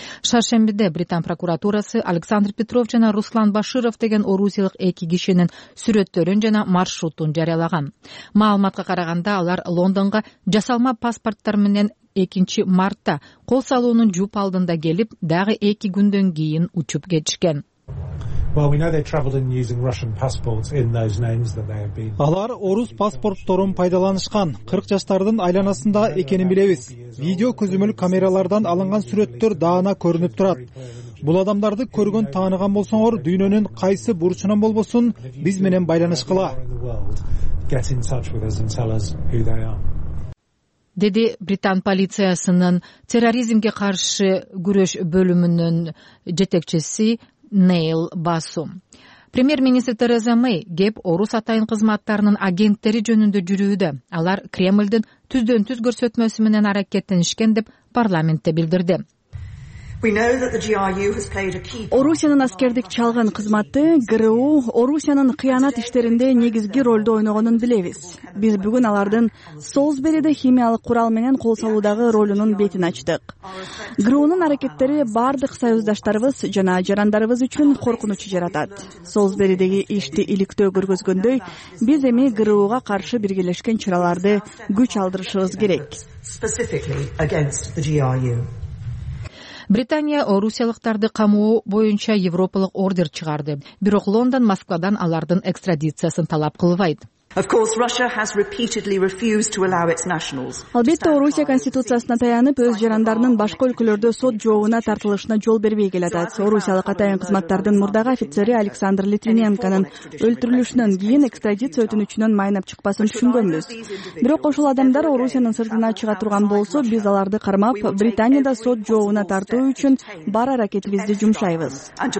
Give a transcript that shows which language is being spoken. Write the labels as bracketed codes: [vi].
[ky] Шаршембиде Британ прокуратурасы Александр Петров жана Руслан Баширов деген орусиялык эки кишинин сүрөттөрүн жана маршрутун жарыялаган. Маалыматка караганда, алар Лондонго жасалма паспорттор менен 2 мартта кол салуунун жуп алдында келип, дагы 2 күндөн кийин учуп кетишкен. [en] Well, we know they traveled in using Russian passports in those names that they have been. [ky] Алар орус паспортторун пайдаланышкан 40 жаштардын айланасында экенин билебиз. Видео көзөмөлү камералардан алынган сүрөттөр даана көрүнүп турат. Бул адамдарды көргөн, тааныган болсоңор, дүйнөнүн кайсы бурчунан болбосун, биз менен байланышкыла. [en] Get in touch with us and tell us who they are. [ky] Деди Британ полициясынын терроризмге каршы күрөш бөлүмүнүн жетекчиси Нейл Басу. Премьер-министр Тереза Мэй кеп орус атайын кызматтарынын агенттери жөнүндө жүрүүдө. Алар Кремлдин түздөн-түз көрсөтмөсү менен аракеттенишкен деп парламентте билдирди. Орусиянын аскердик чалган кызматы ГРУ Орусиянын кыянат иштеринде негизги ролду ойногонун билебиз. Биз бүгүн алардын Солсбериде химиялык курал менен кол салуудагы ролунун бетин ачтык. ГРУнун аракеттери бардык союздаштарыбыз жана жарандарыбыз үчүн коркунуч жаратат. Солсберидеги ишти иликтөө көргөзгөндөй, биз эми ГРУга каршы биргелешкен чараларды күч алдырышыбыз керек. Британия орусиялыктарды камоо боюнча европалык ордер чыгарды, бирок Лондон Москвадан алардын экстрадициясын талап кылбайт. [en] Of course, Russia has repeatedly refused to allow its nationals. [ky] Албетте, Орусия конституциясына таянып, өз жарандарынын башка өлкөлөрдө сот жообуна тартылышына жол бербей келатат. Орусиялык атайын кызматтардын мурдагы офицери Александр Литвиненконун өлтүрүлүшүнөн кийин экстрадиция өтүнүчүнөн майнап чыкпасын түшүнгөнбүз. Бирок ошол адамдар Орусиянын сыртына чыга турган болсо, биз аларды кармап, Британияда сот жообуна тартуу үчүн бар аракетибизди жумшайбыз.